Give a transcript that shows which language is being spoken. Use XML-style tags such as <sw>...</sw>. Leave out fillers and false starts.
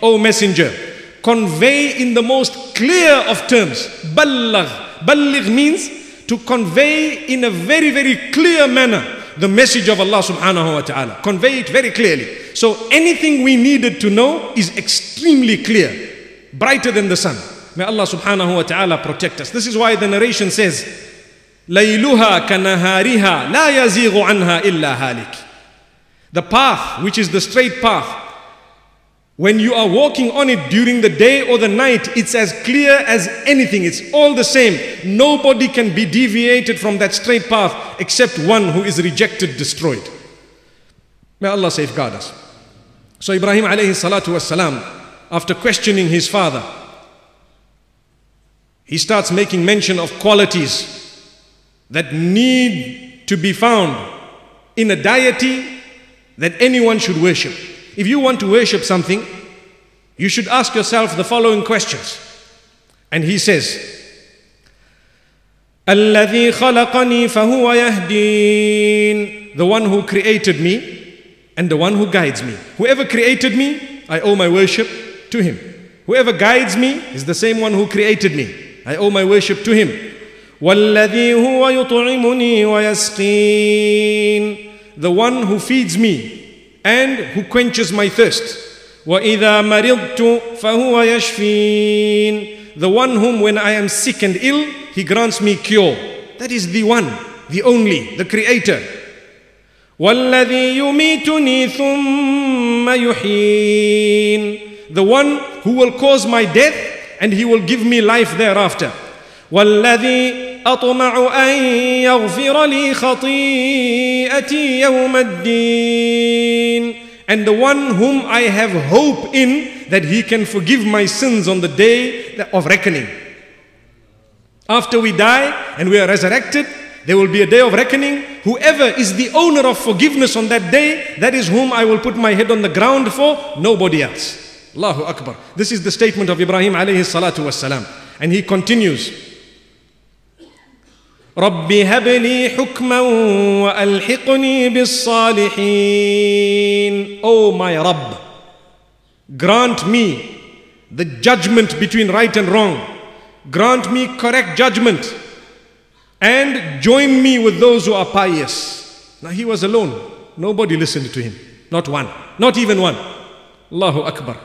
<en>O messenger, convey in the most clear of terms. Balligh. Balligh means to convey in a very, very clear manner the message of Allah subhanahu wa ta'ala. Convey it very clearly. So anything we needed to know is extremely clear, brighter than the sun. May Allah subhanahu wa ta'ala protect us. This is why the narration says,</en> <ar>لَيْلُهَا كَنَهَارِهَا لَا يَزِيغُ عَنْهَا إِلَّا هَالِكِ.</ar> <en>The path, which is the straight path, when you are walking on it during the day or the night, it's as clear as anything. It's all the same. Nobody can be deviated from that straight path except one who is rejected, destroyed. May Allah safeguard us. So Ibrahim alayhi salatu wasalam, after questioning his father, he starts making mention of qualities that need to be found in a deity that anyone should worship. If you want to worship something, you should ask yourself the following questions. And he says,</en> <ar>الَّذِي خَلَقَنِي فَهُوَ يَهْدِينَ.</ar> <en>The one who created me and the one who guides me. Whoever created me, I owe my worship to him. Whoever guides me is the same one who created me. I owe my worship to him.</en> <ar>وَالَّذِي هُوَ يُطْعِمُنِي وَيَسْقِينَ.</ar> <en>The one who feeds me and who quenches my thirst.</en> <ar>وَإِذَا مَرِضْتُ فَهُوَ يَشْفِينَ.</ar> <en>The one whom when I am sick and ill, he grants me cure. That is the one, the only, the creator.</en> <ar>وَالَّذِي يُمِيتُنِي ثُمَّ يُحْيِينَ.</ar> <en>The one who will cause my death and he will give me life thereafter.</en> <ar>وَالَّذِي أَطْمَعُ أَن يَغْفِرَ لِي خَطِيئَتِي يَوْمَ الدِّينِ.</ar> <en>And the one whom I have hope in that he can forgive my sins on the day of reckoning. After we die and we are resurrected, there will be a day of reckoning. Whoever is the owner of forgiveness on that day, that is whom I will put my head on the ground for, nobody else. Allahu Akbar. This is the statement of Ibrahim alayhi salatu wasalam. And he continues,</en> <ar>رَبِّ هَبْ لِي حُكْمًا وَأَلْحِقْنِي بِالصَّالِحِينَ.</ar> <en>Oh my Rabb, grant me the judgment between right and wrong. Grant me correct judgment and join me with those who are pious. Now he was alone. Nobody listened to him. Not one. Not even one. Allahu Akbar.</en>